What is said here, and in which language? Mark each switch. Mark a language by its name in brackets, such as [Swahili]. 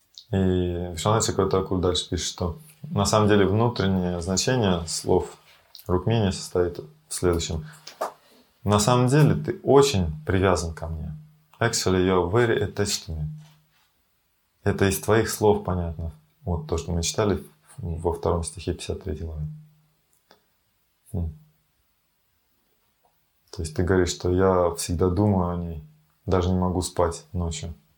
[Russian] И Вишванатха Чакратакура дальше пишет, что на самом деле внутреннее значение слов Рукмини состоит в следующем. На самом деле ты очень привязан ко мне. [English] Actually, you're very attached to me. [Russian] Это из твоих слов понятно. Вот то, что мы читали во втором стихе 53 главы. То есть ты говоришь, что я всегда думаю о ней, даже не могу спать ночью.